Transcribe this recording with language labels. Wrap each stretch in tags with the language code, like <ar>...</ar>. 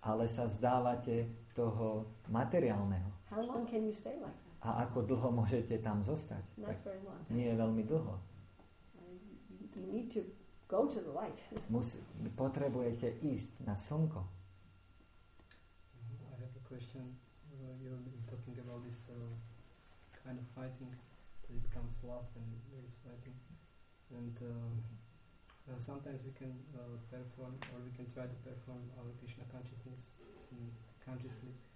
<sk>Ale sa zdávate toho materiálneho.</sk> <en>How long can you stay like that?</en> <sk>A ako dlho môžete tam zostať?</sk> <en>Not very long.</en> <sk>Nie je veľmi dlho.</sk> <en>You need to go to the light.</en> <sk>Potrebujete ísť na slnko.</sk> <en>I have a question. You've been talking about this kind of fighting. That it comes last and there is fighting. And sometimes we can perform, or we can try to perform our Krishna consciousness consciously.</en>